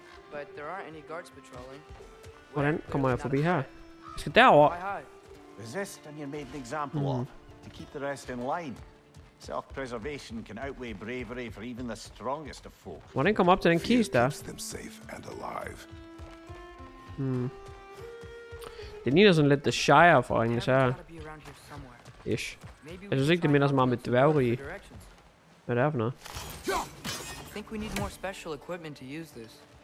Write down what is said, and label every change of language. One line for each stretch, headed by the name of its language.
English: But there aren't any guards patrolling.
Danish: Hvordan kommer jeg forbi her? Jeg skal derover.
English: Resist and you made an example of to keep the rest in line. Self-preservation can outweigh bravery for even the strongest of folk.
Danish: Hvordan kommer op til den kiste der?
English: Keeps them safe and alive.
Danish: Det ligner sådan lidt The Shire for Ringens Herre. Ish. Jeg synes ikke, det minder så meget med dværgerige. Hvad er det for noget?
English: I think we need more special equipment to use this.